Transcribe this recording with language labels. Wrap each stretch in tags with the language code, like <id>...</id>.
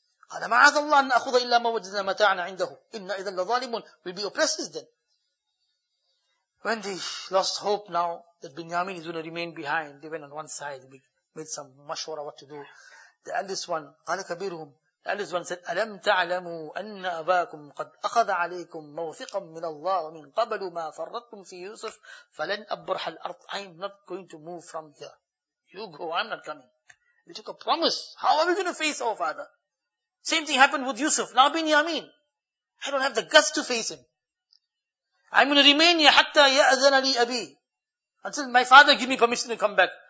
<ar>قَالَ مَعَذَ اللَّهُ أَنْ أَخُذَ إِلَّا مَا وَجَدْنَا مَتَاعَنَا عِنْدَهُ إِنَّا إِذَا لَظَالِمُونَ.</ar> <en>We'll be oppressors then. When they lost hope now that Binyamin is going to remain behind, they went on one side, they made some mashwara what to do. The eldest one,</en> <ar>قَالَ كَبِيرُهُمْ.</ar> <en>Alice one said,</en> <ar>أَلَمْ تَعْلَمُوا أَنَّ أَبَاكُمْ قَدْ أَخَذَ عَلَيْكُمْ مَوْثِقًا مِنَ اللَّهِ وَمِنْ قَبَلُ مَا فَرَّطْتُمْ فِي يُوسُفِ فَلَنْ أَبْرَحَ الْأَرْضِ.</ar> <en>I'm not going to move from here. You go, I'm not coming. We took a promise. How are we going to face our father? Same thing happened with Yusuf. Now Binyamin. I don't have the guts to face him. I'm going to remain here</en> <ar>حَتَّى يَأْذَنَ لِي أَبِي.</ar> <en>Until my father give me permission to come back.</en>